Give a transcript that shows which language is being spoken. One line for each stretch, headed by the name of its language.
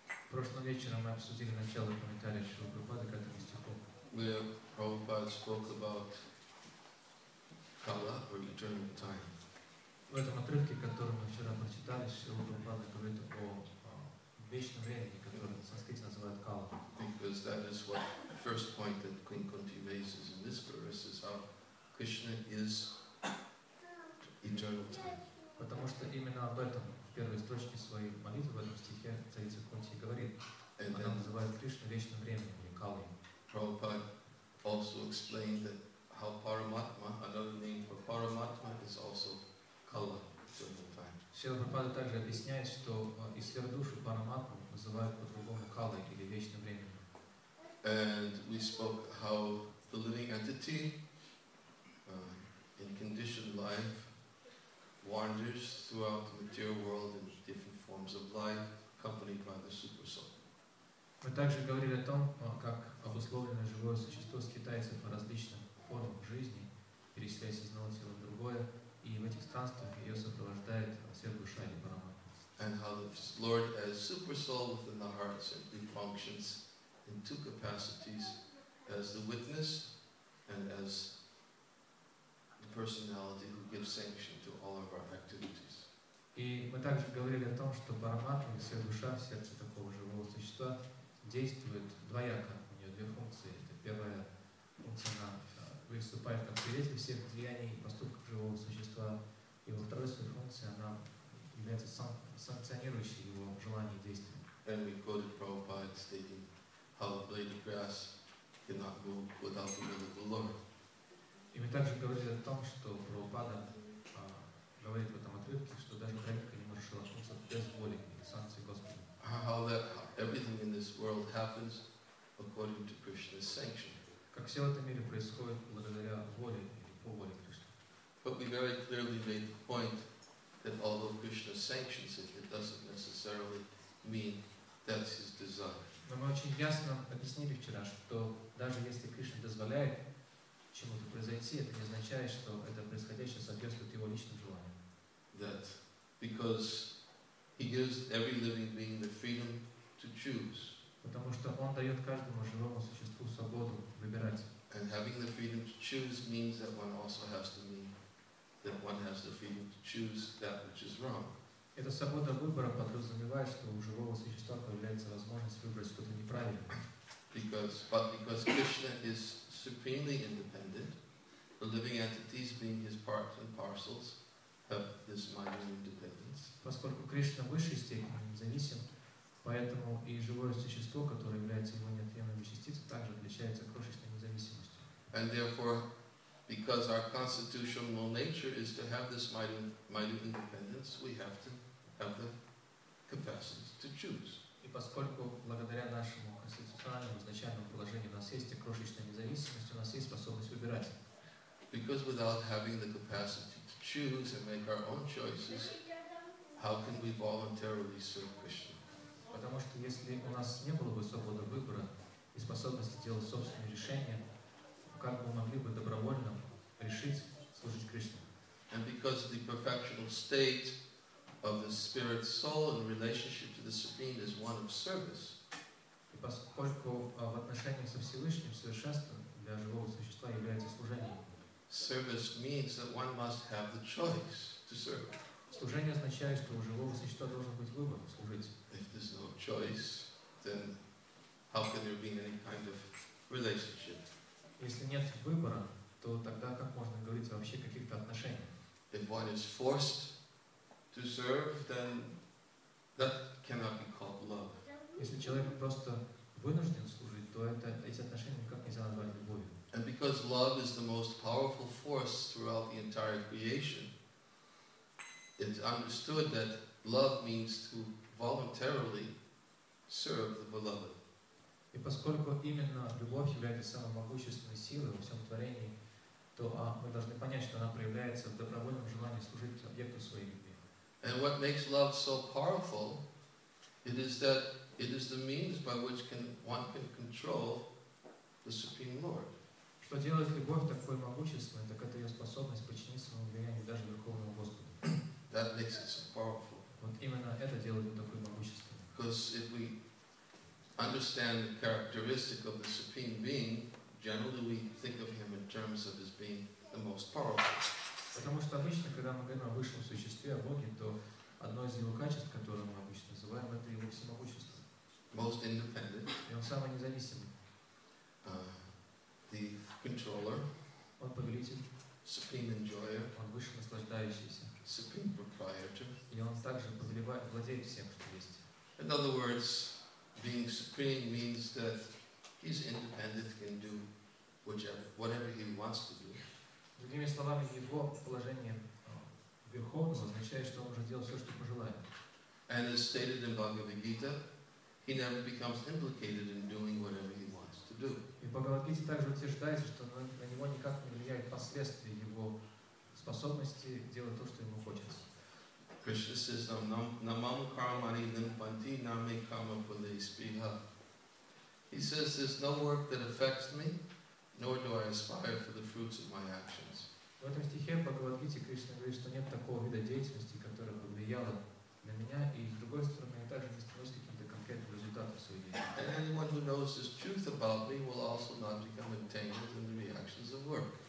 Russian: Прошлым вечером мы обсудили начало комментария Шрила Прабхупады к этому стиху.
English: Where Prabhupada spoke about Kala, or eternal time.
Russian: В этом отрывке, который мы вчера прочитали, Шрила Прабхупада говорит о вечном времени, которое в санскрите называют Kala.
English: Because that is what the first point that Queen Kunti raises in this verse is how Krishna is eternal time.
Russian: Потому что именно об этом в первой строчке своей молитвы в этом стихе царица Кунти говорит. Она называет Кришну вечным временем или Калой.
English: Prabhupada also explained that how Paramatma, another name for Paramatma, is also Kala, eternal time.
Russian: Шрила Прабхупада также объясняет, что и сверхдушу Параматму называют по-другому Калой или вечным временем.
English: And we spoke how the living entity in conditioned life wanders throughout the material world in different forms of life accompanied by the super soul.
Russian: Мы также говорили о том, как обусловленное живое существо скитается по различным формам жизни, переселяясь из одного тела в другое, и в этих странствах ее сопровождает сверхдуша или парама.
English: And how the Lord as super soul within the heart simply functions in two capacities as the witness and as personality who gives sanction to all of our activities.
Russian: И мы также говорили о том, что параматма, вся душа, сердце такого живого существа действует двояко. У нее две функции. Это первая функция, она выступает как свидетель всех деяний и поступков живого существа. И во второй своей функции она является санкционирующим его желание и действие.
English: And we quoted Prabhupada stating how a blade of grass cannot go without the will of the Lord.
Russian: И мы также говорили о том, что Прабхупада говорит в этом отрывке, что даже тропинка не может шелохнуться без воли и санкции Господа.
English: How that everything in this world happens according to Krishna's sanction.
Russian: Как все в этом мире происходит благодаря воле или по воле Кришны.
English: But we very clearly made the point that although Krishna sanctions it, it doesn't necessarily mean that's his desire.
Russian: Но мы очень ясно объяснили вчера, что даже если Кришна дозволяет чему-то произойти, это не означает, что это происходящее соответствует его личным желаниям.
English: That because he gives every living being the freedom to choose.
Russian: Потому что он дает каждому живому существу свободу выбирать.
English: And having the freedom to choose means that one also has to mean that one has the freedom to choose that which is wrong.
Russian: Эта свобода выбора подразумевает, что у живого существа появляется возможность выбрать что-то неправильное.
English: Because Krishna is supremely independent, the living entities being his parts and parcels have this minor independence.
Russian: Поскольку Кришна в высшей степени независим, поэтому и живое существо, которое является его неотъемлемой частицей, также отличается крошечной независимостью.
English: And therefore, because our constitutional nature is to have this minor independence, we have to have the capacity to choose.
Russian: И поскольку благодаря нашему конституциональному изначальному положению у нас есть крошечная независимость, у нас есть способность выбирать.
English: Because without having the capacity to choose and make our own choices, how can we voluntarily serve Krishna?
Russian: Потому что если у нас не было бы свободы выбора и способности делать собственные решения, как бы мы могли бы добровольно решить служить Кришне?
English: And because the perfectional state of the spirit soul in relationship to the Supreme is one of service.
Russian: И поскольку в отношении со Всевышним совершенство для живого существа является служением.
English: Service means that one must have the choice to serve.
Russian: Служение означает, что у живого существа должен быть выбор служить.
English: If there's no choice, then how can there be any kind of relationship?
Russian: Если нет выбора, то тогда как можно говорить вообще о каких-то отношениях?
English: If one is forced to serve, then that cannot be called love.
Russian: Если человек просто вынужден служить, то это эти отношения никак нельзя назвать любовью.
English: And because love is the most powerful force throughout the entire creation, it's understood that love means to voluntarily serve the beloved.
Russian: И поскольку именно любовь является самой могущественной силой во всем творении, то мы должны понять, что она проявляется в добровольном желании служить объекту своей любви.
English: And what makes love so powerful, it is that it is the means by which one can control the Supreme Lord.
Russian: Что делает любовь такой могущественной, так это ее способность подчинить своему влиянию даже Верховному Господу.
English: That makes it so powerful.
Russian: Вот именно это делает его такой могущественным.
English: Because if we understand the characteristic of the Supreme Being, generally we think of him in terms of his being the most powerful.
Russian: Потому что обычно, когда мы говорим о высшем существе, о Боге, то одно из его качеств, которое мы обычно называем, это его всемогущество.
English: Most independent.
Russian: И он самый независимый.
English: The controller.
Russian: Он повелитель.
English: Supreme enjoyer.
Russian: Он высший наслаждающийся.
English: Supreme proprietor.
Russian: И он также владеет всем, что есть.
English: In other words, being supreme means that he's independent, can do whatever he wants to do.
Russian: Другими словами, его положение верховного означает, что он может делать все, что пожелает.
English: And as stated in Bhagavad Gita, he never becomes implicated in doing whatever he wants to do.
Russian: И Бхагавад Гита также утверждает, что на него никак не влияет последствия его способности делать то, что ему хочется.
English: Krishna says,
Sanskrit: namam karmani limpanti name kama pule spriha.
English: He says, there's no work that affects me, nor do I aspire for the fruits of my actions.
Russian: В этом стихе в Бхагавад-гите Кришна говорит, что нет такого вида деятельности, которая бы влияла на меня, и с другой стороны, я также не стремлюсь к каким-то конкретным результатам своей деятельности.
English: And anyone who knows this truth about me will also not become entangled in the reactions of work.